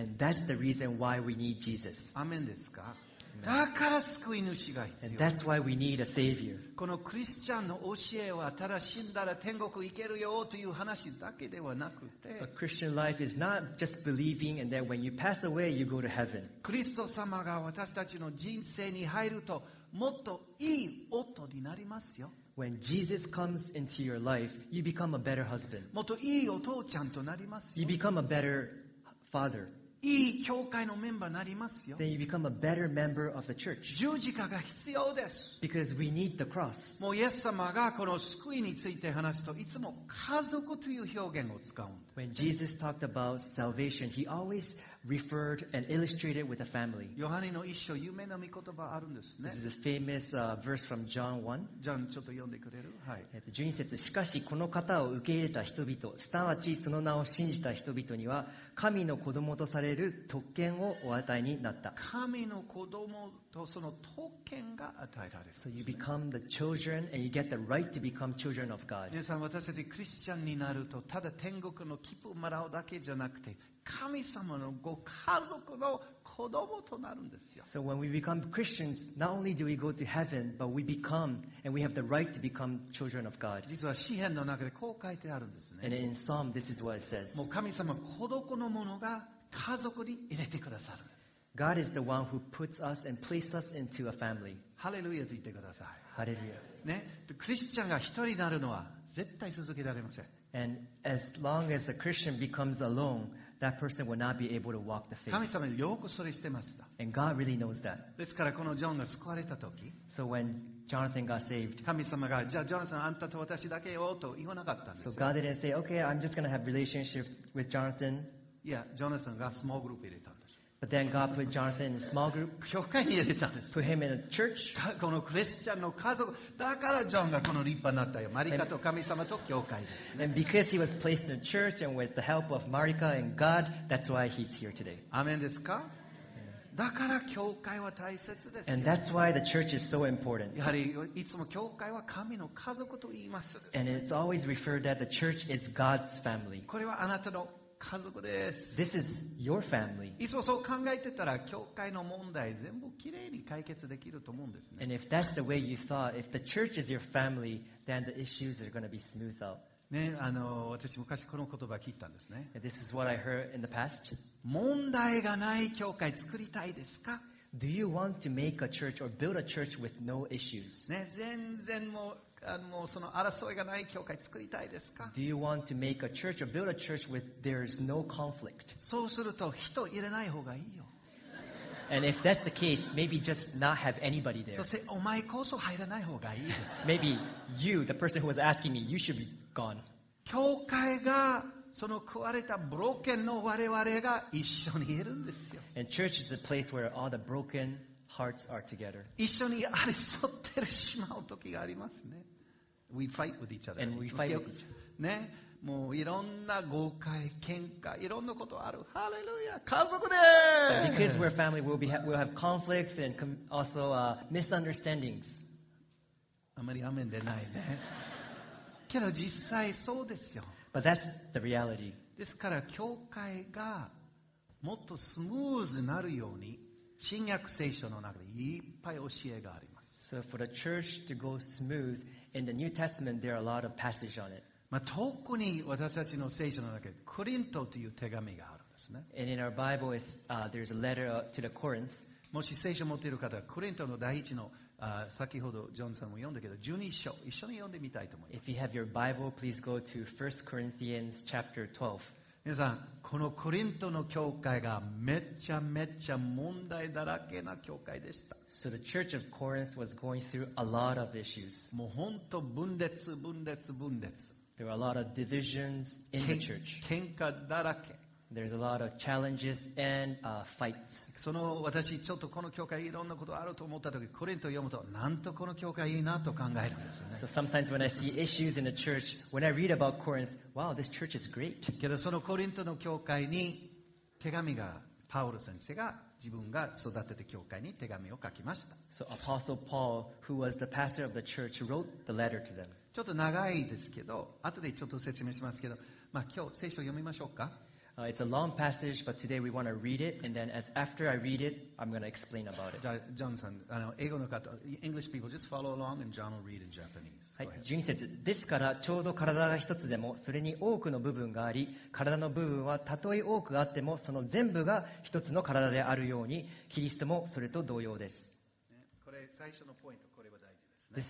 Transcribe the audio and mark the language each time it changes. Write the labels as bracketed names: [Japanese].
[English] And that's the reason why we need Jesus. [Japanese] アメンですか？だから救い主が必要。 [English] And that's why we need a savior. [Japanese] このクリスチャンの教えはただ死んだら天国行けるよという話だけではなくて、 [English] A Christian life is not just believing and then when you pass away you go to heaven. [Japanese] クリスト様が私たちの人生に入るともっといい夫になりますよ。 [English] When Jesus comes into your life, you become a better husband. [Japanese] もっといいお父ちゃんとなりますよ。 [English] You become a better father. [Japanese] いい教会のメンバーになりますよ。 [English] Then you become a better member of the church. [Japanese] 十字架が必要です。 [English] Because we need the cross. [Japanese] もうイエス様がこの救いについて話すといつも家族という表現を使うんです。 [English] When Jesus talked about salvation, he always referred and illustrated with a family. [Japanese] ヨハネの一章有名な御言葉あるんですね。 [English] This is a famous verse from John 1. [Japanese] ジョンちょっと読んでくれる？はい。 12節、しかしこの方を受け入れた人々、すなわちその名を信じた人々には神の子供とされる特権をお与えになった。神の子供とその特権が与えられる。 [English] So you become the children and you get the right to become children of God. [Japanese] 皆さん、私たちクリスチャンになるとただ天国の切符をもらうだけじゃなくて神様のご家族の子供となるんですよ。 [English] So when we become Christians, not only do we go to heaven, but we become and we have the right to become children of God. [Japanese] 実は詩篇の中でこう書いてあるんですね。 [English] And in Psalm, this is what it says. [Japanese] もう神様孤独のものが家族に入れてくださるんです。 [English] God is the one who puts us and places us into a family. [Japanese] ハレルヤと言ってください。ハレルヤ。ね、クリスチャンが一人になるのは絶対続けられません。 [English] And as long as a Christian becomes alone,That person will not be able to walk the faith. [Japanese] 神様よくそれしてました。 [English] And God really knows that. [Japanese] ですからこのジョンが救われた時、 [English] So when Jonathan got saved, [Japanese] 神様がじゃあジョナサンあんたと私だけよと言わなかったんです。 [English] So God didn't say, okay, I'm just going to have relationship with Jonathan. [Japanese] いや、ジョナサンがスモールグループ入れたんです。 [English] But then God put Jonathan in a small group. [Japanese] 教会に入れたんです。 [English] Put him in a church. [Japanese] このクリスチャンの家族だからジョンがこの立派になったよ。マリカと神様と教会です、ね。 [English] And because he was placed in a church and with the help of Marika and God, that's why he's here today. [Japanese] アメンですか？だから教会は大切です。 [English] And that's why the church is so important. [Japanese] やはりいつも教会は神の家族と言います。 [English] And it's always referred that the church is God's family. [Japanese] これはあなたの家族です。 [English] This is your family. [Japanese] いつもそう考えてたら教会の問題全部きれいに解決できると思うんですね。 [English] And if that's the way you thought, if the church is your family, then the issues are going to be smooth out. [Japanese] ね、私昔この言葉聞いたんですね。 [English] This is what I heard in the past. [Japanese] 問題がない教会作りたいですか？ [English] Do you want to make a church or build a church with no issues? [Japanese] ね、全然もう。もうその争いがない教会作りたいですか？ [English] Do you want to make a church or build a church with there's no conflict? [Japanese] そうすると人入れない方がいいよ。 [English] And if that's the case, maybe just not have anybody there. [Japanese] そしてお前こそ入らない方がいいです。 [English] Maybe you, the person who was asking me, you should be gone. [Japanese] 教会がその食われたブロケンの我々が一緒にいるんですよ。 [English] And church is a place where all the broken hearts are together. [Japanese] 一緒に争ってしまう時がありますね。 [English] We fight with each other. And we fight with each other. [Japanese] ね、もういろんな誤解、喧嘩、いろんなことある。ハレルヤ、家族で。 [English] Because we're family, we'll have conflicts and also misunderstandings. [Japanese] あまりアメンでないね。けど実際そうですよ。 [English] But that's the reality. [Japanese] ですから教会がもっとスムーズになるように。新約聖書の中でいっぱい教えがあります。 [English] So for the church to go smooth in the New Testament, there are a lot of passages on it. [Japanese] まあ、特に私たちの聖書の中でコリントという手紙があるんですね。 [English] And in our Bible, is, there's a letter to the Corinth. [Japanese] もし聖書を持っている方はコリントの第一の先ほどジョンさんも読んだけど12章一緒に読んでみたいと思います。 [English] If you have your Bible, please go to 1 Corinthians chapter 12. [Japanese] 皆さん、このコリントの教会がめちゃめちゃ問題だらけな教会でした。 [English] So the church of Corinth was going through a lot of issues. [Japanese] もう本当分裂、分裂、分裂。 [English] There were a lot of divisions in the church. [Japanese] 喧嘩だらけ。 [English] There's a lot of challenges and fights. [Japanese] その私ちょっとこの教会いろんなことあると思ったとき、コリントを読むとなんとこの教会いいなと考えるんですよね。 [English] So sometimes when I see issues in the church, when I read about Corinth, wow, this church is great. [Japanese] けどそのコリントの教会に手紙が、パウロ先生が自分が育てて教会に手紙を書きました。 [English] So Apostle Paul, who was the pastor of the church, wrote the letter to them. [Japanese] ちょっと長いですけど、後でちょっと説明しますけど、まあ今日聖書を読みましょうか。 [English] It's a long passage, but today we want to read it, and then as after I read it, I'm going to explain about it. John, [Japanese] さん、あの、英語の方、 [English] English people, just follow along, and John will read in Japanese. [Japanese] はい、順に説、ですから、ちょうど体が一つでも、それに多くの部分があり、体の部分はたとえ多くあっても、その全部が一つの体であるように、キリストもそれと同様です。これ、最初のポイント、これは大事。